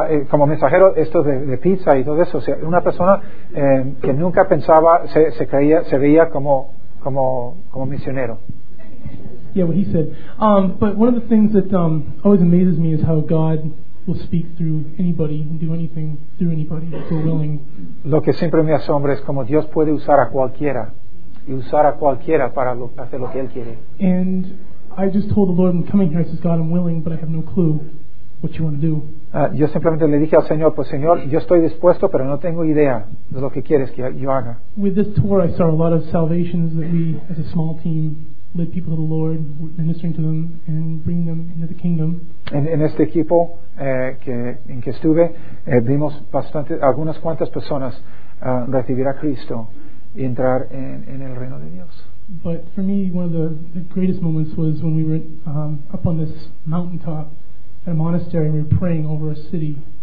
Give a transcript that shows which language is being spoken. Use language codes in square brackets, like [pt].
[es] Como mensajero, esto de pizza y todo eso. O sea, una persona que nunca pensaba, se veía como misionero. [en] Yeah, what he said. But one of the things that always amazes me is how God will speak through anybody and do anything through anybody if we're willing. [es] Lo que siempre me asombra es como Dios puede usar a cualquiera y usar a cualquiera para hacer lo que Él quiere. [en] And I just told the Lord, I'm coming here. I says, God, I'm willing, but I have no clue what you want to do. [es] Yo simplemente le dije al Señor, pues Señor, yo estoy dispuesto, pero no tengo idea de lo que quieres que yo haga. [en] With this tour, I saw a lot of salvations that we, as a small team, led people to the Lord, ministering to them and bringing them into the kingdom. [es] En este equipo en que estuve, vimos bastante, algunas cuantas personas recibir a Cristo y entrar en el reino de Dios. [en] But for me, one of the greatest moments was when we were up on this mountaintop at a monastery and we were praying over a city.